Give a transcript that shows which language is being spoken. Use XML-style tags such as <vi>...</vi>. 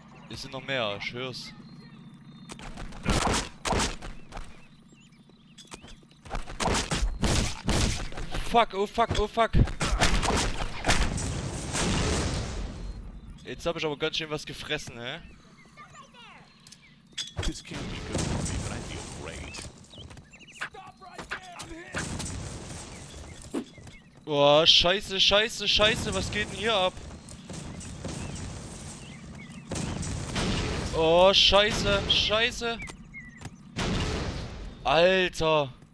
<de>Es sind noch mehr, ich hör's.</de> <en>Fuck, oh fuck, oh fuck.</en> <de>Jetzt hab ich aber ganz schön was gefressen, hä?</de> <en>This can't be good for me, but I feel great.</en> <de>Boah, scheiße, scheiße, scheiße, was geht denn hier ab? Oh, scheiße, scheiße. Alter.</de>